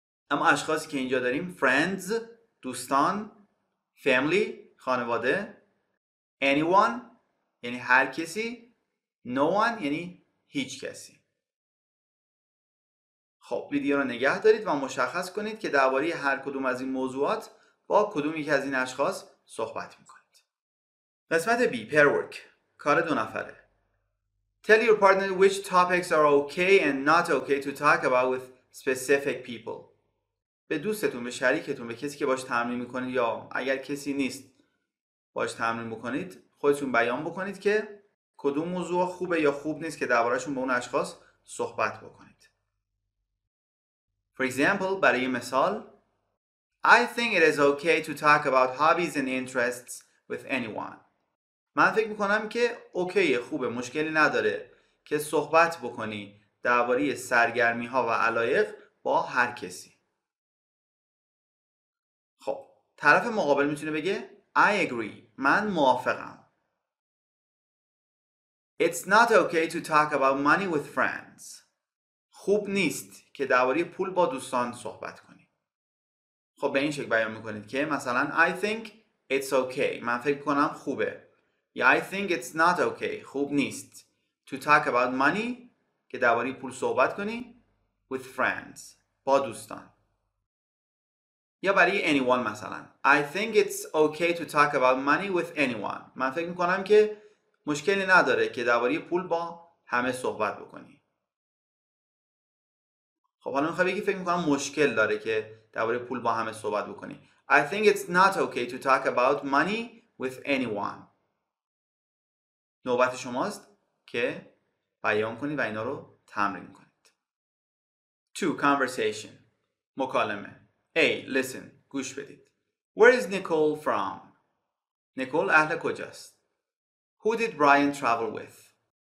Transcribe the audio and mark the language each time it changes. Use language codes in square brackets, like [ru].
[fa] اما اشخاصی که اینجا داریم friends، دوستان، family، خانواده، anyone یعنی هر کسی، [en] no one [fa] یعنی هیچ کسی. خب ویدیو رو نگه دارید و مشخص کنید که درباره هر کدوم از این موضوعات با کدوم یکی از این اشخاص صحبت میکنید. قسمت B، pair work، کار دو نفره. [en] Tell your partner which topics are okay and not okay to talk about with specific people. [fa] به دوستتون، به شریکتون، به کسی که باش تمرین میکنید یا اگر کسی نیست باش تمرین بکنید، خودتون بیان بکنید که کدوم موضوع خوبه یا خوب نیست که دربارشون با اون اشخاص صحبت بکنید. [en] For example، [fa] برای مثال، [en] I think it is okay to talk about hobbies and interests with anyone. [fa] من فکر میکنم که اوکیه، خوبه، مشکلی نداره که صحبت بکنی درباره سرگرمی ها و علایق با هر کسی. طرف مقابل میتونه بگه [en] I agree، [fa] من موافقم. [en] It's not okay to talk about money with friends. [fa] خوب نیست که درباره پول با دوستان صحبت کنی. خب به این شکل بیان میکنید که مثلا [en] I think it's okay، [fa] من فکر کنم خوبه. یا [en] I think it's not okay، [fa] خوب نیست [en] to talk about money، [fa] که درباره پول صحبت کنی، [en] with friends، [fa] با دوستان. یا برای anyone مثلا [en] I think it's okay to talk about money with anyone، [fa] من فکر میکنم که مشکلی نداره که درباره پول با همه صحبت بکنی. خب حالا میخوای بگی فکر میکنم مشکل داره که درباره پول با همه صحبت بکنی. [en] I think it's not okay to talk about money with anyone. [fa] نوبت شماست که بیان کنید و اینا رو تمرین کنید. 2. Conversation، مکالمه. A. Listen. گوش بدید. [en] Where is Nicole from? [fa] نیکول اهل کجاست؟ [en] Who did Brian travel with?